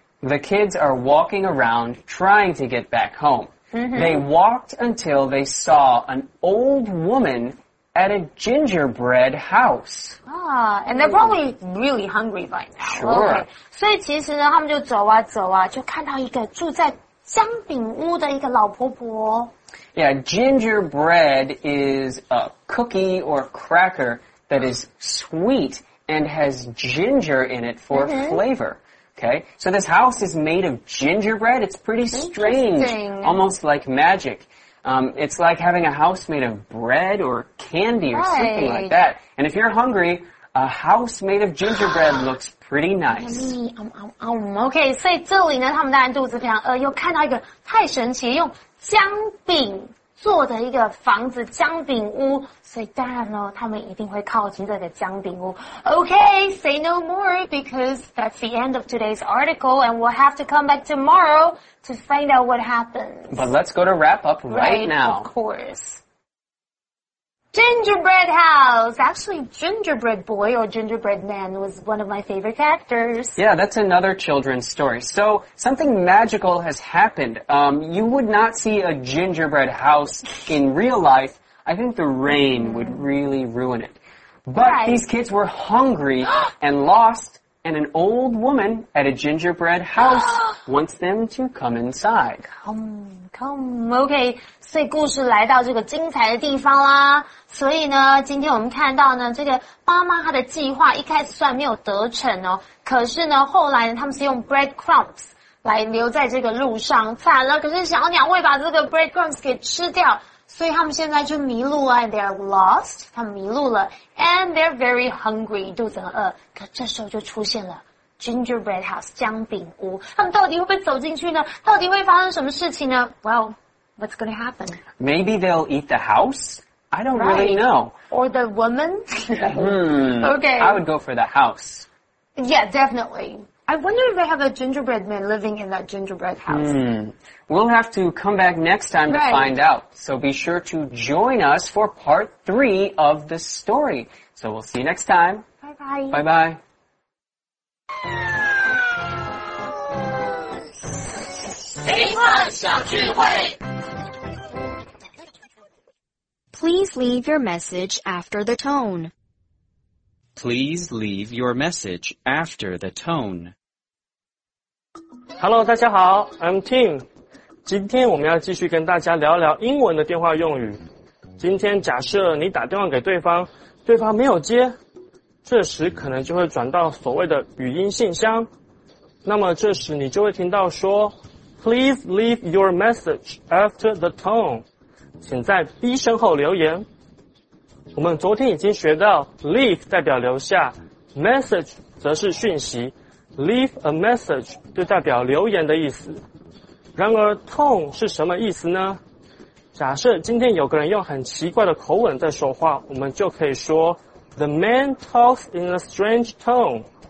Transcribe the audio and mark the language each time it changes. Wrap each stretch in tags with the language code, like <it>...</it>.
<en>The kids are walking around trying to get back home. They walked until they saw an old woman at a gingerbread house. And they're probably really hungry by now. Sure. Okay.</en> <zh>所以其实呢，他们就走啊走啊，就看到一个住在姜饼屋的一个老婆婆。</zh> <en>Yeah, gingerbread is a cookie or cracker that is sweet and has ginger in it for flavor. Okay, so this house is made of gingerbread. It's pretty strange, almost like magic. It's like having a house made of bread or candy or something like that. And if you're hungry, a house made of gingerbread looks pretty nice.</en> <zh>Okay, 所以这里呢他们当然肚子非常饿又看到一个太神奇用姜饼做的一个房子姜饼屋所以当然呢他们一定会靠近这个姜饼屋。</zh> <en>Okay, say no more because that's the end of today's article and we'll have to come back tomorrow to find out what happens. But let's go to wrap up right now. Of course. Gingerbread House! Actually, Gingerbread Boy or Gingerbread Man was one of my favorite characters. Yeah, that's another children's story. So, something magical has happened. You would not see a gingerbread house in real life. I think the rain would really ruin it. But these kids were hungry and lost, and an old woman at a gingerbread house wants them to come inside.</en> <zh>Okay, 所以故事来到这个精彩的地方啦。所以呢，今天我们看到呢，这个妈妈她的计划一开始虽然没有得逞哦，可是呢，后来呢，他们是用 breadcrumbs 来留在这个路上，惨了。可是小鸟会把这个 breadcrumbs 给吃掉，所以他们现在就迷路了。</zh> <en>They are lost，</en> <zh>他们迷路了</zh> <en>，and they're very hungry，</en> <zh>肚子很饿。可这时候就出现了。 Gingerbread House, 姜饼屋。他们到底会不会走进去呢？到底会发生什么事情呢 ？</zh> <en>Well, what's going to happen? Maybe they'll eat the house. I don't really know. Or the woman. Okay. I would go for the house. Yeah, definitely. I wonder if they have a gingerbread man living in that gingerbread house. We'll have to come back next time to find out. So be sure to join us for part 3 of the story. So we'll see you next time. Bye-bye. Bye-bye. Please leave your message after the tone. Please leave your message after the tone. Hello,</en> <zh>大家好</zh> <en>I'm Tim.</en> <zh>今天我们要继续跟大家聊聊英文的电话用语。今天假设你打电话给对方，对方没有接，这时可能就会转到所谓的语音信箱。那么这时你就会听到说</zh> <en>Please leave your message after the tone.</en> <zh>请在 B 声后留言。我们昨天已经学到 leave 代表留下 ,message 则是讯息。</zh> <en>Leave a message</en> <zh>就代表留言的意思。然而 tone 是什么意思呢？假设今天有个人用很奇怪的口吻在说话，我们就可以说</zh> <en>The man talks in a strange tone.</en>